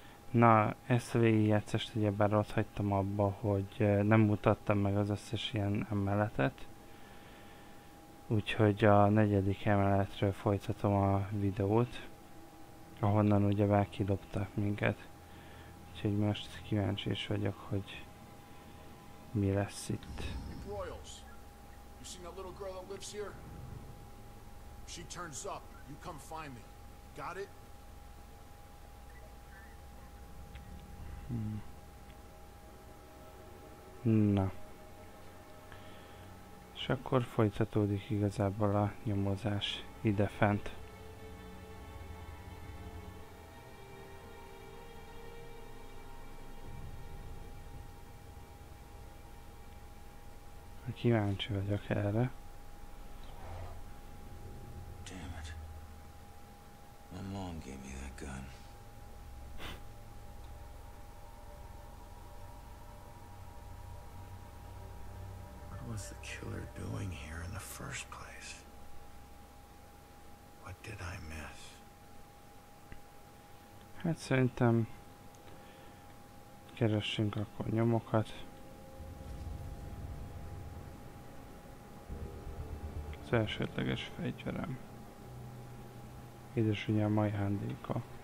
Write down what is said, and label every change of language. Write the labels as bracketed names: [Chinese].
[Hungarian] Na, ezt a végigjátszást ugyebár ott hagytam abba, hogy nem mutattam meg az összes ilyen emeletet. Úgyhogy a negyedik emeletről folytatom a videót, ahonnan ugyebár kidobtak minket. Úgyhogy most kíváncsi is vagyok, hogy mi lesz itt. [English] You seen that little girl that lives here? She turns up, you come find me. Got it? [Hungarian] Na. És akkor folytatódik igazából a nyomozás ide fent. Kíváncsi vagyok erre. [English] Damn it. My mom gave me that gun. What was the killer doing here in the first place? What did I miss? [Hungarian] Hát szerintem keressünk akkor nyomokat. Az elsődleges fegyverem. Édesanyám ajándéka.